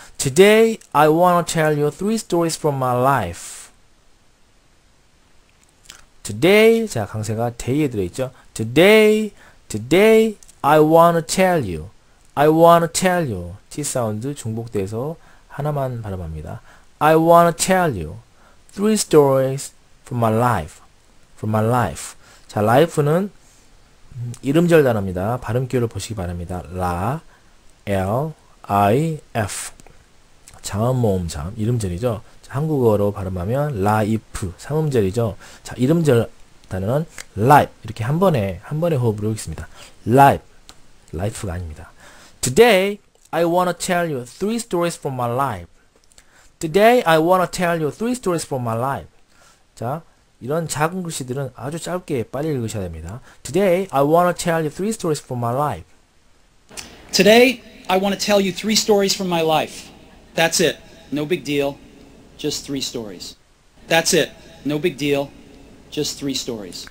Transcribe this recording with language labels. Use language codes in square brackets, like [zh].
[en] Today I want to tell you three stories from my life. Today, 자, [ko] 강세가 day에 들어있죠. [en] Today I want to tell you. I want to tell you. [ko] T 사운드 중복돼서 하나만 발음합니다. [en] I want to tell you three stories from my life. From my life. 자, life는 [ko] 이름절 단어입니다. 발음기호를 보시기 바랍니다. La, L, I, F. 자음 모음 자음 이름절이죠. 자, 한국어로 발음하면 La, If 삼음절이죠. 자, 이름절 단어는 Life 이렇게 한 번에 호흡으로 읽습니다. Life, Life가 아닙니다. [en] Today I wanna tell you three stories from my life. Today I wanna tell you three stories from my life. [ko] 자, 이런 작은 글씨들은 아주 짧게 빨리 읽으셔야 됩니다. [en] Today I want to tell you three stories from my life. Today I want to tell you three stories from my life. That's it. No big deal. Just three stories. That's it. No big deal. Just three stories.